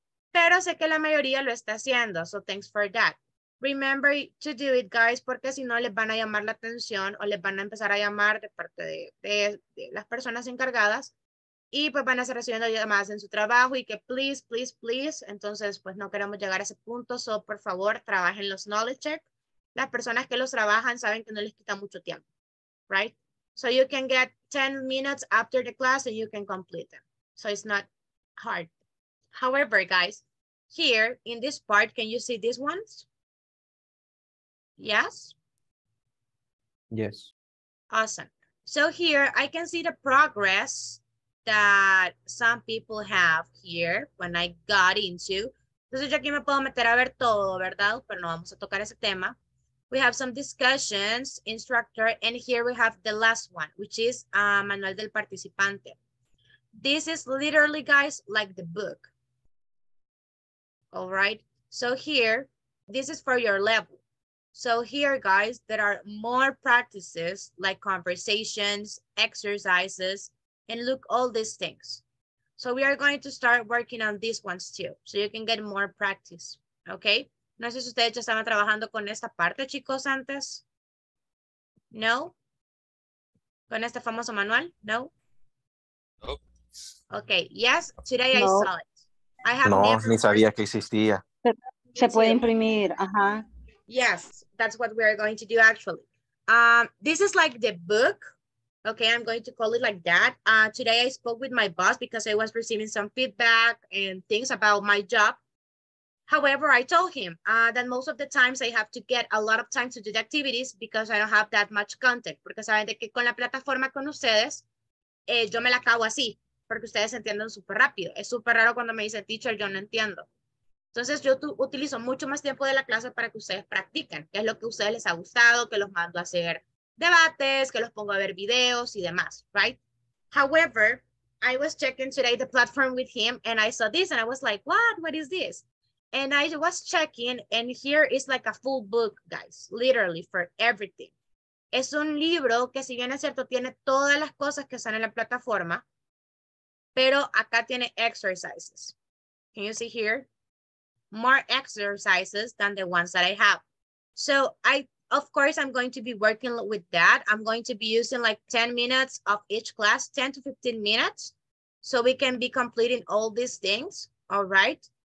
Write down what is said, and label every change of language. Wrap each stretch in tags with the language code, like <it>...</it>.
<es>Pero sé que la mayoría lo está haciendo,</es> <en>so thanks for that. Remember to do it, guys,</en> <es>porque si no les van a llamar la atención o les van a empezar a llamar de parte de las personas encargadas. Y pues van a estar recibiendo llamadas en su trabajo y que</es> <en>please, please, please.</en> <es>Entonces, pues no queremos llegar a ese punto. So, por favor, trabajen los knowledge check. Las personas que los trabajan saben que no les quita mucho tiempo.</es> <en>Right? So you can get 10 minutes after the class and you can complete them. So it's not hard. However, guys, here in this part, can you see these ones? Yes? Yes. Awesome. So here I can see the progress that some people have here when I got into.</en> <es>Entonces yo aquí me puedo meter a ver todo, ¿verdad? Pero no vamos a tocar ese tema.</es> <en>We have some discussions, instructor, and here we have the last one, which is manual del participante. This is literally, guys, like the book. All right. So here, this is for your level. So here, guys, there are more practices like conversations, exercises, and look, all these things. So we are going to start working on these ones too, so you can get more practice, okay?</en> <es>No sé si ustedes ya estaban trabajando con esta parte, chicos, antes. No? Con este famoso manual, no?</es> <en>Nope. Okay, yes, today no. I saw it. I have no, never</en> <es>ni sabía it. Que existía. Se puede imprimir, ajá.</es> <en>Yes, that's what we are going to do actually. This is like the book. Okay, I'm going to call it like that. Today I spoke with my boss because I was receiving some feedback and things about my job. However, I told him that most of the times I have to get a lot of time to do the activities because I don't have that much content.</en> <es>Porque saben de que con la plataforma con ustedes, yo me la acabo así, porque ustedes entienden súper rápido. Es súper raro cuando me dicen, teacher, yo no entiendo. Entonces, yo utilizo mucho más tiempo de la clase para que ustedes practiquen, que es lo que a ustedes les ha gustado, que los mando a hacer debates, que los pongo a ver videos y demás, right?</es> <en>However, I was checking today the platform with him and I saw this and I was like, what? What is this? And I was checking and here is like a full book, guys, literally for everything.</en> <es>Es un libro que si bien es cierto, tiene todas las cosas que están en la plataforma, pero acá tiene exercises.</es> <en>Can you see here? More exercises than the ones that I have. So I, of course, I'm going to be working with that. I'm going to be using like 10 minutes of each class, 10 to 15 minutes, so we can be completing all these things, all right?</en>